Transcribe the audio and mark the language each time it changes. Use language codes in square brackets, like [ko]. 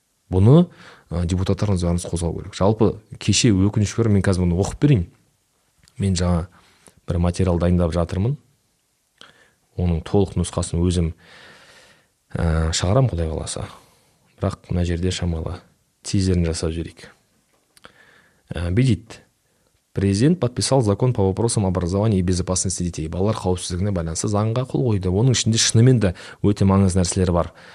[kk] Бұны депутаттарымыз барымыз қозғау керек. Жалпы кеше өкініш бар, мен қазір бұны оқып берейін. Мен жаңа бір материал дайындап жатырмын. Оның толық нұсқасын өзім шығарам Құдай қаласа. Бірақ мына жерде шамалы тизерін жасап жүрейік. Бидит. [ru] Президент подписал закон по вопросам образования и безопасности детей. [kk] Балалар қауіпсіздігіне байланысты заңға қол қойды. Оның ішінде шынымен де өте маңызды нәрселер бар.